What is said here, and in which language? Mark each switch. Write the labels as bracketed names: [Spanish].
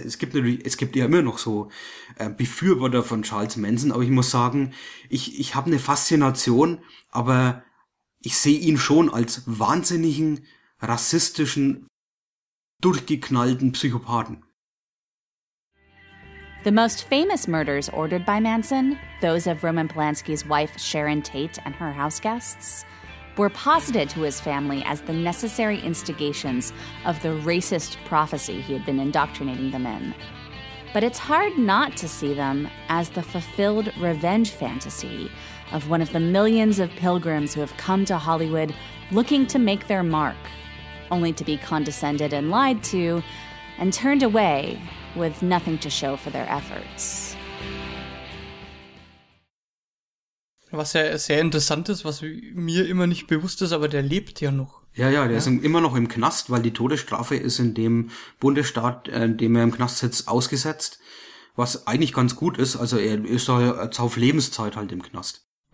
[German] Es gibt ja immer noch so Befürworter von Charles Manson, aber ich muss sagen, ich habe eine Faszination, aber ich sehe ihn schon als wahnsinnigen, rassistischen, durchgeknallten Psychopathen. [English] The most famous murders ordered by Manson, those of Roman Polanski's wife Sharon Tate and her houseguests, were posited to his family as the necessary instigations of the racist prophecy he had been indoctrinating them in. But it's hard not to see them as the fulfilled revenge fantasy of one of the millions of pilgrims who have come to Hollywood looking to make their mark, only to be condescended and lied to, and turned away with nothing to show for their efforts. [German] Was ja sehr interessant ist, was mir immer nicht bewusst ist, aber der lebt ja noch. Ja, ist immer noch im Knast, weil die Todesstrafe ist in dem Bundesstaat, in dem er im Knast sitzt, ausgesetzt, was eigentlich ganz gut ist. Also er ist halt auf Lebenszeit halt im Knast.